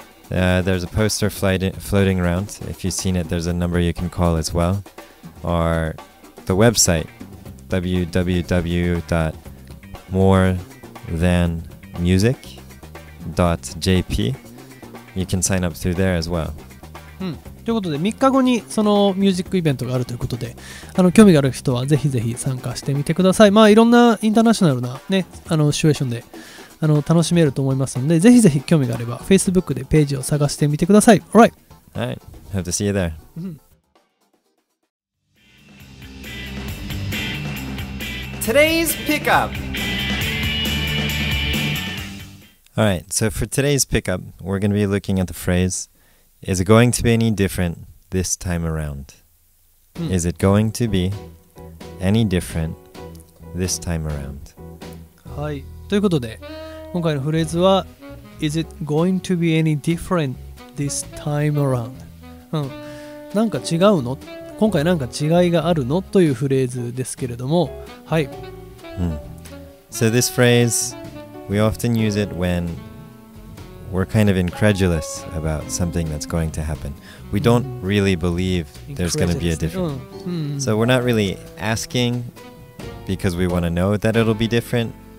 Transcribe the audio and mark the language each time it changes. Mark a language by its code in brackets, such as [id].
[en] There's a poster floating around. If you've seen it, there's a number you can call as well. Or the website, www.morethanmusic.jp. You can sign up through there as well. [ja] ということで、3日後にそのミュージックイベントがあるということで、興味がある人はぜひぜひ参加してみてください。まあ、いろんなインターナショナルな、ね、シチュエーションで楽しめると思いますので、ぜひぜひ興味があれば Facebook でページを探してみてください。 [en] All right. All right. Hope to see you there. Today's pickup. All right. So for today's pickup, we're going to be looking at the phrase, Is it going to be any different this time around? Is it going to be any different this time around? [ja] はい。ということで、今回のフレーズは [en] Is it going to be any different this time around? [ja] なんか違うの? 今回なんか違いがあるの?というフレーズですけれども、はい。 [en] So this phrase, we often use it when we're kind of incredulous about something that's going to happen. We don't really believe there's going to be a difference. So we're not really asking because we want to know that it'll be different.